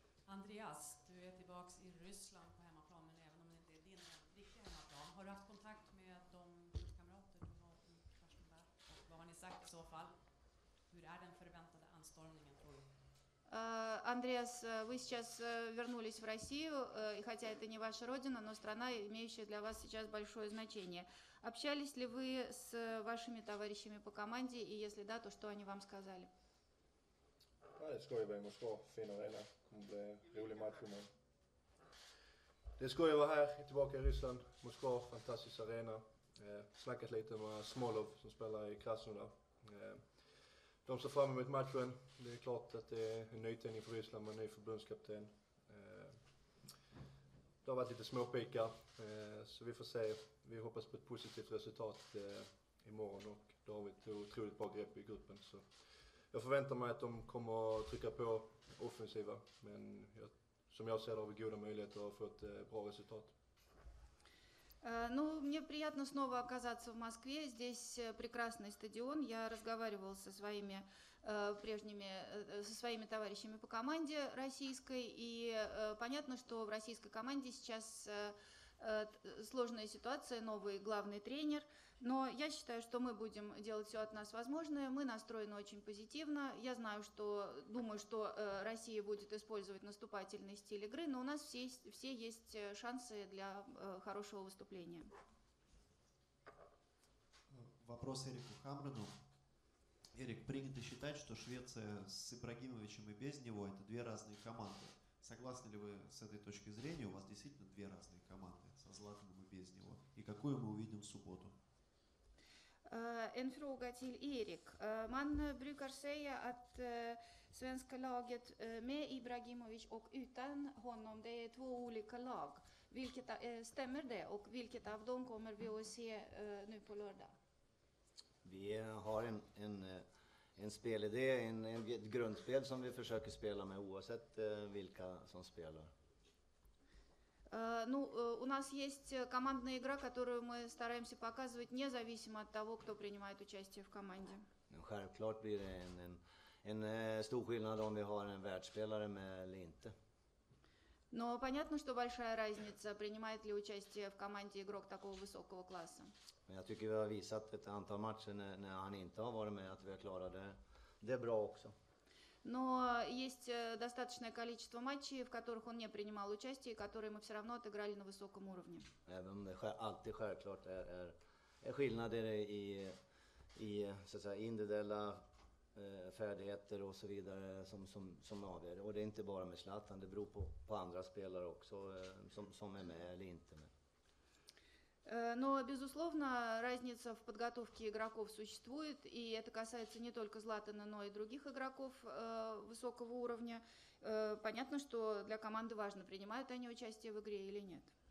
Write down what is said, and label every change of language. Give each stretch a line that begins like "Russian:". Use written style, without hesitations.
Swedish: Andreas, du är tillbaks i Ryssland på hemmaplan, men även om det inte är din riktiga hemmaplan. Har du haft kontakt med de kamrater du har i Krasnodar? Vad har ni sagt i så fall? Hur är den förväntade anstormningen, tror du?
Russian: Andreas, вы сейчас вернулись в Россию, и хотя это не ваша родина, но страна, имеющая для вас сейчас большое значение. Общались ли вы с вашими товарищами по команде, и если да, то что они вам сказали?
Swedish: Ja, det ska ju vara i Moskva, fin arena. Det kommer bli en rolig match. Men det ska ju vara här, tillbaka i Ryssland. Moskva, fantastisk arena. Snackat lite med Smolov som spelar i Krasnodar. De ser fram emot matchen. Det är klart att det är en nytändning för Ryssland med en ny förbundskapten. Det har varit lite småpikar, så vi får se. Vi hoppas på ett positivt resultat imorgon och då har vi ett otroligt bra grepp i gruppen. Så. Jag förväntar mig att de kommer att trycka på offensiva, men jag, som jag ser det har vi goda möjligheter att få ett bra resultat.
Russian: Ну, мне приятно снова оказаться в Москве. Здесь прекрасный стадион. Я разговаривал со своими прежними, со своими товарищами по команде российской, и понятно, что в российской команде сейчас сложная ситуация, новый главный тренер. Но я считаю, что мы будем делать все от нас возможное. Мы настроены очень позитивно. Я знаю, что думаю, что Россия будет использовать наступательный стиль игры, но у нас все есть шансы для хорошего выступления. Вопрос Эрику Хамрину. Эрик, принято считать, что Швеция с Ибрагимовичем и без него – это две разные команды. Согласны ли вы с этой точки зрения? У вас действительно две разные команды со Златаном и без него. И какую мы увидим в субботу?
Swedish: En fråga till Erik. Man brukar säga att svenska laget med Ibrahimovic och utan honom, det är två olika lag. Vilket stämmer det och vilket av dem kommer vi att se nu på lördag? Vi har en spelidé, ett grundspel som vi försöker spela med oavsett vilka som spelar.
Russian: Ну, у нас есть командная игра, которую мы стараемся показывать независимо от того, кто принимает участие в команде.
Swedish: Ну, självklart blir det en stor skillnad om vi har en världsspelare med eller inte.
Russian: Но понятно, что большая разница, принимает ли участие в команде игрок такого высокого класса. Я
Swedish: tycker vi har visat ett antal matcher när han inte har varit med att vi har klarat det bra också.
Russian: Но есть достаточное количество матчей, в которых он не принимал участие, которые мы все равно отыграли на высоком уровне.
Swedish: Även det alltid självklart är skillnader i så att säga individuella färdigheter och så vidare som avgör. Och det är inte bara med Zlatan, det beror på andra spelare också som är med eller inte med.
Russian: Но, безусловно, разница в подготовке игроков существует, и это касается не только Златана, но и других игроков высокого уровня. Понятно, что для команды важно, принимают они участие в игре или нет.